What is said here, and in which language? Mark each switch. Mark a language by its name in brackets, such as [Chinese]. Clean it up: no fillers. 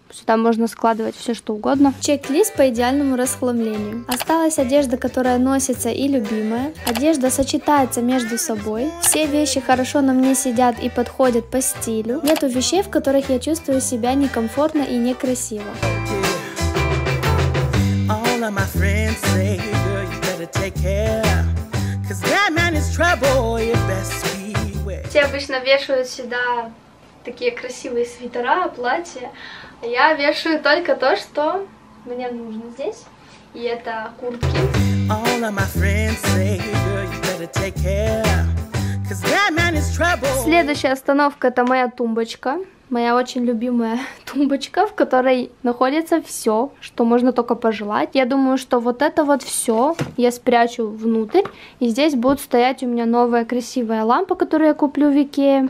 [Russian] Сюда можно складывать все что угодно. Чек-лист по идеальному расхламлению. Осталась одежда, которая носится и любимая. Одежда сочетается между собой. Все вещи хорошо на мне сидят и подходят по стилю. Нету вещей, в которых я чувствую себя некомфортно и некрасиво. [English] All my friends say, girl, you better take care, 'cause that man is trouble, you best beware. [Russian] Все обычно вешают сюда такие красивые свитера, платья, а я вешаю только то, что мне нужно здесь, и это куртки. [English] All of my friends say, girl, you better take care, 'cause that man is trouble. [Russian] Следующая остановка — это моя тумбочка. Моя очень любимая тумбочка, в которой находится все, что можно только пожелать. Я думаю, что вот это вот все я спрячу внутрь. И здесь будет стоять у меня новая красивая лампа, которую я куплю в Икее.